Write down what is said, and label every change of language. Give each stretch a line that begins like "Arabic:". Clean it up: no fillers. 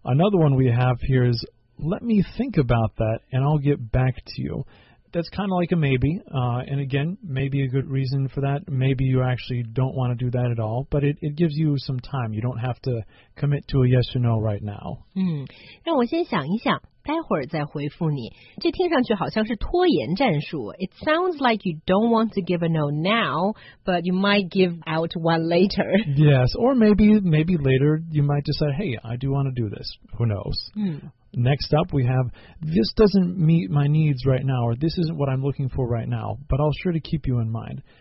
English: Another one we have here is, let me think about that, and I'll get back to you. That's kind of like a maybe, and again, maybe a good reason for that. Maybe you actually don't want to do that at all, but it gives you some time. You don't have to commit to a yes or no right now.
Chinese: 让我先想一想，待会儿再回复你。这听上去好像是拖延战术。
English: It sounds like you don't want to give a no now, but you might give out one later. Yes, or maybe later you might just say, hey, I do want to do this. Who knows? Next up, we have, this doesn't meet my needs right now, or this isn't what I'm looking for right now, but I'll sure to keep you in mind.